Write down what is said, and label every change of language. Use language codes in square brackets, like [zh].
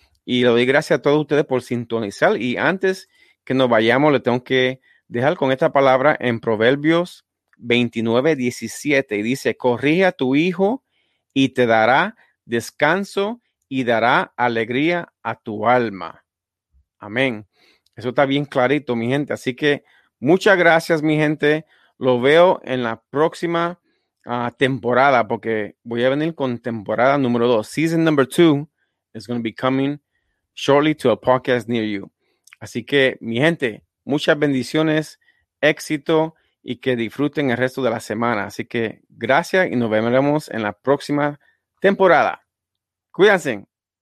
[es] Y le doy gracias a todos ustedes por sintonizar. Y antes que nos vayamos, le tengo que dejar con esta palabra en Proverbios 29, 17. Y dice: corrige a tu hijo y te dará descanso y dará alegría a tu alma. Amén. Eso está bien clarito, mi gente. Así que muchas gracias, mi gente. Lo veo en la próxima temporada, porque voy a venir con temporada número 2. [en] Season number 2 is going to be coming shortly to a podcast near you. [es] Así que, mi gente, muchas bendiciones, éxito y que disfruten el resto de la semana. Así que gracias y nos veremos en la próxima temporada. Cuídense.